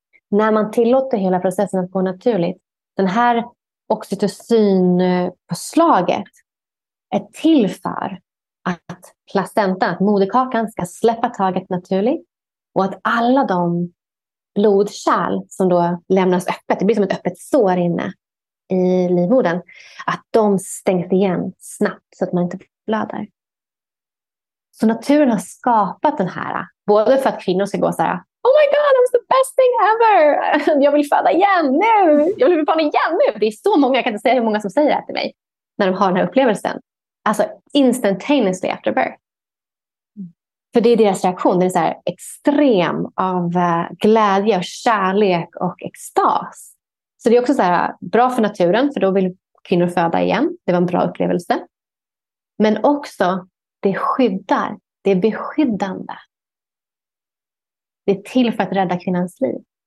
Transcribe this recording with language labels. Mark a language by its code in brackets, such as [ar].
[sv] När man tillåter hela processen att gå naturligt, den här oxytocinpåslaget är till för att placentan, att moderkakan, ska släppa taget naturligt och att alla de blodkärl som då lämnas öppet, det blir som ett öppet sår inne i livmodern, att de stängs igen snabbt så att man inte blöder. Så naturen har skapat den här, både för att kvinnor ska gå så här: [en] oh my god, I'm the best thing ever! [sv] Jag vill föda igen nu! Jag vill föda igen nu! Det är så många, jag kan inte säga hur många som säger det till mig när de har den här upplevelsen. Alltså [en] instantaneously after birth. [sv] För det är deras reaktion. Det är så här extrem av glädje och kärlek och extas. Så det är också så här bra för naturen, för då vill kvinnor föda igen. Det var en bra upplevelse. Men också, det skyddar. Det är beskyddande. Det är till för att rädda kvinnans liv.